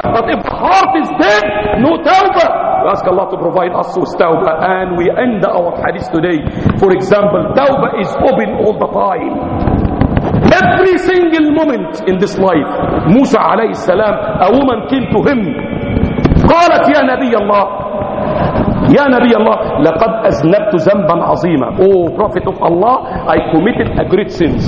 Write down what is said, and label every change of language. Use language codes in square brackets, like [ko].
[en] But if the heart is dead, no tawbah. We ask Allah to provide us with tawbah. And we end our hadith today. For example, tawbah is open all the time. Every single moment in this life. Musa alayhi salam, a woman came to him. [ar] قالت يا نبي الله يا نبي الله لقد أذنبت ذنبا عظيما. [en] Oh Prophet of Allah, I committed a great sin.